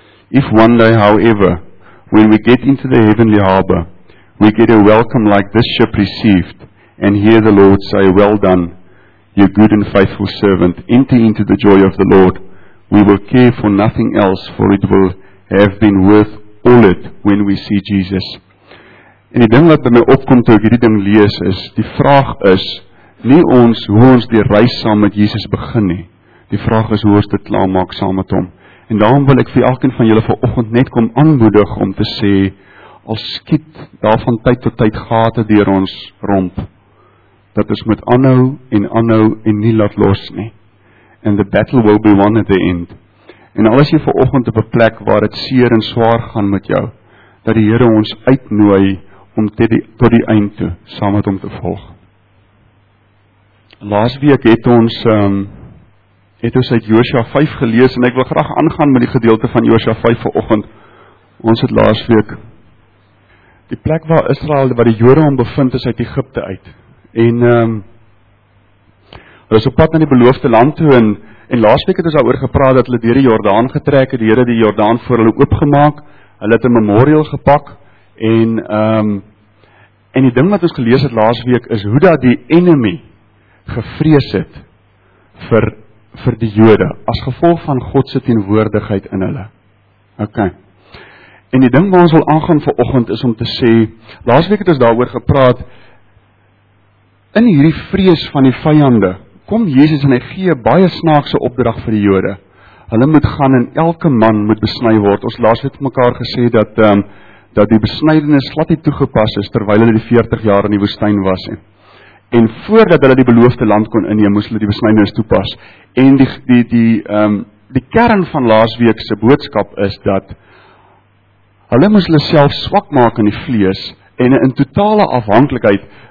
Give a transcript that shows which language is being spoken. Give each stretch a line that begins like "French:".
English: If one day, however, when we get into the heavenly harbour, we get a welcome like this ship received, and hear the Lord say, well done, you good and faithful servant, enter into the joy of the Lord. We will care for nothing else, for it will have been worth all it when we see Jesus.
Afrikaans: En die ding wat by my opkom toe ek hierdie ding lees is, die vraag is nie ons hoe ons die reis saam met Jesus begin nie. Die vraag is hoe ons dit klaar maak saam met hom. En daarom wil ek vir elkeen van julle vanoggend net kom aanmoedig om te sê, al skiet daar van tyd tot tyd gate deur ons romp, dat ons moet aanhou en aanhou en nie laat los nie.
English: And the battle will be won at the end.
Afrikaans: En al is jy vanoggend op 'n plek waar dit seer en swaar gaan met jou, dat die Here ons uitnooi om tot die eind toe saam met hom te volg. Laasweek het ons uit Josua 5 gelees, en ek wil graag aangaan met die gedeelte van Josua 5 vanoggend. Ons het laasweek die plek waar Israel, waar die Jode hom bevind, is uit Egipte uit. En hulle is op pad na die beloofde land toe, en laasweek het ons daaroor gepraat dat hulle deur die Jordaan getrek het, die Here die Jordaan voor hulle oopgemaak. Hulle het 'n memorial gepak, en die ding wat ons gelees het laasweek is hoe dat die enemy gevrees het vir die Jode as gevolg van God se teenwoordigheid in hulle. OK. En die ding waar ons wil aangaan vanoggend is om te sê, laasweek het ons daaroor gepraat, in hierdie vrees van die vyande, kom Jesus en hy gee baie snaakse opdrag vir die Jode. Hulle moet gaan en elke man moet besny word. Ons laas het mekaar gesê dat die besnydenis glad nie toegepas is terwyl hulle die 40 jaar in die woestyn was. En voordat hulle die beloofde land kon inneem, moes hulle die besnydenis toepas. En die kern van laasweek se boodskap is dat hulle moes hulle self swak maak in die vlees en in totale afhanklikheid.